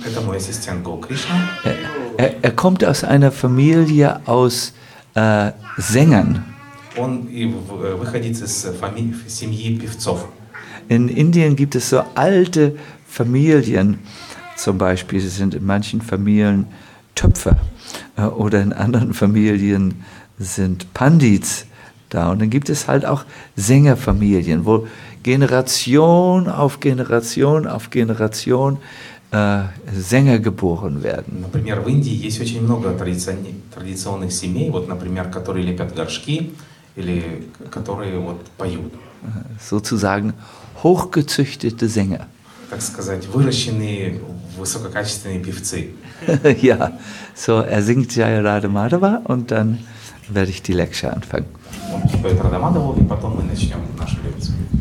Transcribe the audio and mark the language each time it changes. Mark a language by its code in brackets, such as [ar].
[ru] Это мой ассистент Гаур Кришна. [de] Er kommt aus einer Familie aus Sängern. [ru] Он выходит из семьи певцов. [de] In Indien gibt es so alte Familien, zum Beispiel, sie sind in manchen Familien Töpfer oder in anderen Familien sind Pandits da. Und dann gibt es halt auch Sängerfamilien, wo Generation auf Generation auf Generation Sänger geboren werden. [ru] Например, в Индии есть очень много традиционных семей, вот, например, которые лепят горшки. Или которые вот поют. [de] Sozusagen hochgezüchtete Sänger. [ru] Так сказать, выращенные высококачественные певцы. [de] Ja, so er singt Jai Radha Madhava und dann werde ich die Lecture anfangen. [ru] Он поет Радха Мадхаву и потом мы начнем нашу лекцию.